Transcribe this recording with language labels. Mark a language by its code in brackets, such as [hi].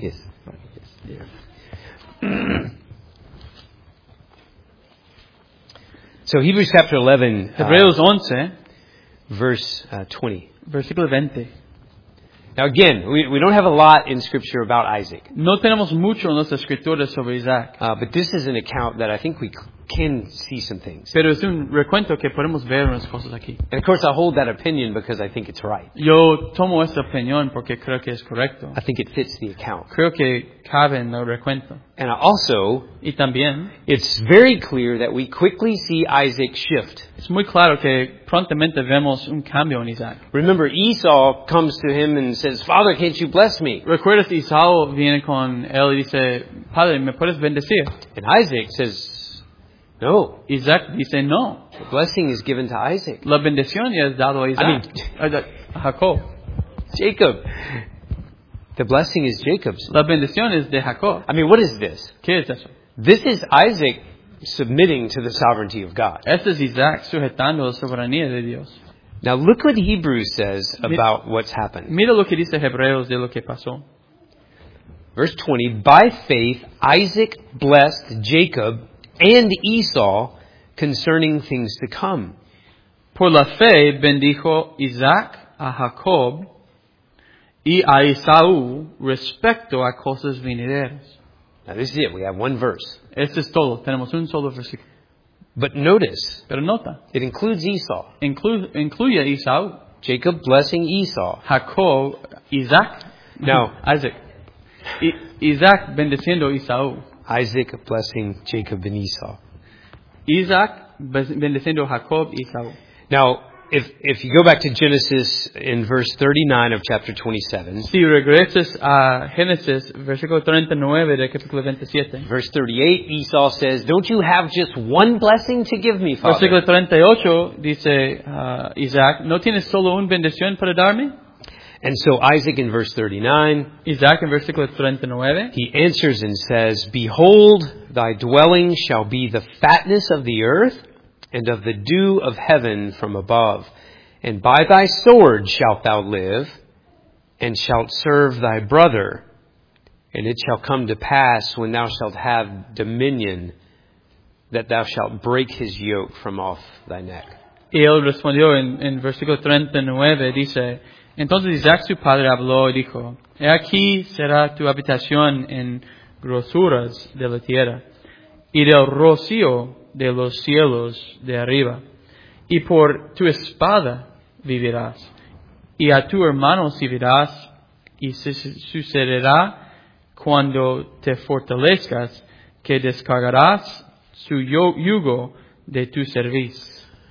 [en] Yes. So Hebrews chapter 11. [es] Hebreos 11. Verse 20. Versículo 20. [en] Now again, we don't have a lot in Scripture about Isaac. [es] No tenemos mucho en las escrituras sobre Isaac. [en] But this is an account that I think we can see some things. [es] Pero es un recuento que podemos ver unas cosas aquí. [en] And of course, I hold that opinion because I think it's right. [es] Yo tomo esa opinión porque creo que es correcto. [en] I think it fits the account. [es] Creo que cabe en el recuento. [en] And also, [es] y también, [en] it's very clear that we quickly see Isaac shift. [es] Es muy claro que prontamente vemos un cambio en Isaac. [en] Remember, Esau comes to him and says, "Father, can't you bless me?" [es] Recuerdas, Esau viene con él y dice, "Padre, ¿me puedes bendecir?" [en] And Isaac says, "No." [es] Isaac dice, "No." [en] The blessing is given to Isaac. [es] La bendición ya es dado a Isaac. [en] I mean, Jacob. Jacob. The blessing is Jacob's. [es] La bendición es de Jacob. [en] I mean, what is this? [es] ¿Qué es eso? [en] This is Isaac submitting to the sovereignty of God. [es] Este es Isaac sujetando la soberanía de Dios. [en] Now look what Hebrews says about what's happened. [es] Mira lo que dice Hebreos de lo que pasó. [en] Verse 20, by faith Isaac blessed Jacob and Esau concerning things to come. [es] Por la fe bendijo Isaac a Jacob y a Esau respecto a cosas venideras. [en] Now this is it. We have one verse. [es] Este es todo. Tenemos un solo versículo. [en] But notice. [es] Pero nota. [en] It includes Esau. [es] Incluye a Esau. [en] Jacob blessing Esau. Jacob, Isaac. No. [es] Isaac. Isaac bendeciendo Esau. [en] Isaac blessing Jacob and Esau. [es] Isaac bendeciendo Jacob y Esau. [en] Now, if you go back to Genesis in verse 39 of chapter 27. [es] Si regresas a Genesis, versículo 39 de capítulo 27. [en] Verse 38, Esau says, "Don't you have just one blessing to give me, Father?" [es] Versículo 38 dice, Isaac, "¿No tienes solo una bendición para darme?" [en] And so Isaac in verse 39, [es] Isaac in versículo 39, [en] he answers and says, "Behold, thy dwelling shall be the fatness of the earth and of the dew of heaven from above. And by thy sword shalt thou live and shalt serve thy brother. And it shall come to pass when thou shalt have dominion that thou shalt break his yoke from off thy neck." [es] Y él respondió en versículo 39, dice, "Entonces Isaac su padre habló y dijo, he aquí será tu habitación en grosuras de la tierra y del rocío de los cielos de arriba. Y por tu espada vivirás y a tu hermano servirás y sucederá cuando te fortalezcas que descargarás su yugo de tu servicio."